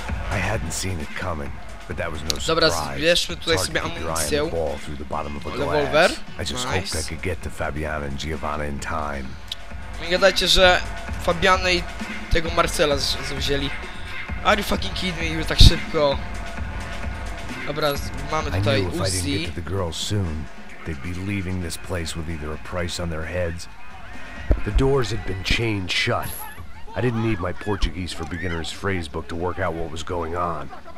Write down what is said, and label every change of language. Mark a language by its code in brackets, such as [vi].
[en] I hadn't seen it coming, but that was no surprise. [pl] Dobra, zbierzmy tutaj sobie amunicję. Rewolwer. [en] I just hoped I could get to Fabiana and Giovanna in time. [pl] Nie gadajcie, że Fabiana i tego Marcela zawzięli. [en] Are you fucking kidding me? [pl] Już tak szybko. Dobra, mamy tutaj Uzi. [en] I knew if I didn't get to the girls soon, they'd be leaving this place with either a price on their heads. The doors had been chained shut. I didn't need my Portuguese for beginners phrase book to work out what was going on.